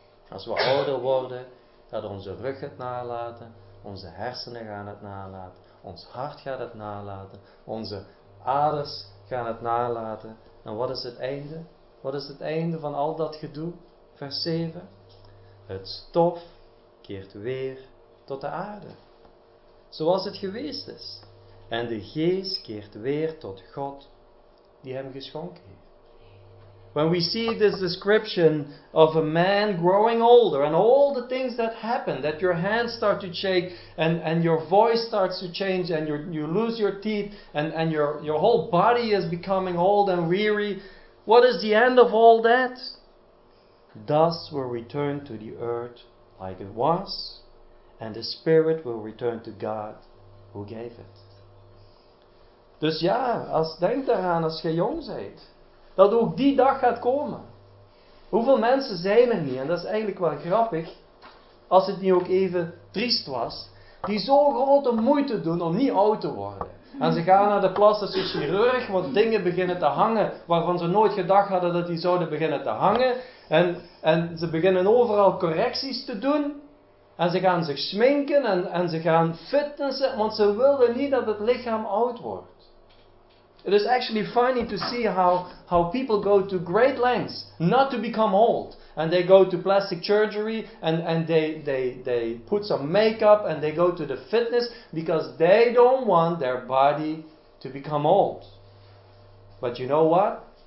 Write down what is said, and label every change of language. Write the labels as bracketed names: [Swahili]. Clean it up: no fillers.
[Dutch] Als we ouder worden, gaat onze rug het nalaten, onze hersenen gaan het nalaten, ons hart gaat het nalaten, onze aders gaan het nalaten. En wat is het einde? Wat is het einde van al dat gedoe? Vers 7. Het stof keert weer tot de aarde, zoals het geweest is. En de geest keert weer tot God, die hem geschonken heeft. [English] when we see this description of a man growing older and all the things that happen, that your hands start to shake and your voice starts to change and you lose your teeth and your whole body is becoming old and weary, what is the end of all that? Thus will return to the earth like it was, and the spirit will return to God who gave it. [Dutch] Dus ja, als denk daaraan als je jong bent, dat ook die dag gaat komen. Hoeveel mensen zijn er niet, en dat is eigenlijk wel grappig, als het niet ook even triest was, die zo grote moeite doen om niet oud te worden. En ze gaan naar de plastische chirurg, want dingen beginnen te hangen waarvan ze nooit gedacht hadden dat die zouden beginnen te hangen. En ze beginnen overal correcties te doen. En ze gaan zich schminken en ze gaan fitnessen, want ze wilden niet dat het lichaam oud wordt. [English] It is actually funny to see how people go to great lengths not to become old. And they go to plastic surgery and they put some makeup and they go to the fitness because they don't want their body to become old. But you know what?